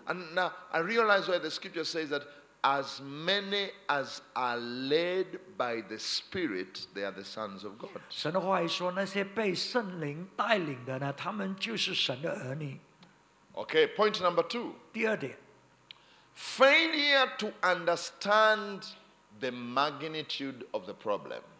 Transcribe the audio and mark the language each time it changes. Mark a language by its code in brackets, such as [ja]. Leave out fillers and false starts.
[en] and now I realize why the scripture says that as many as are led by the Spirit, they are the sons of God. [zh] 神的话说,那些被圣灵带领的呢, [en] okay, point number two. [zh] 第二点, [en] failure to understand the magnitude of the problem.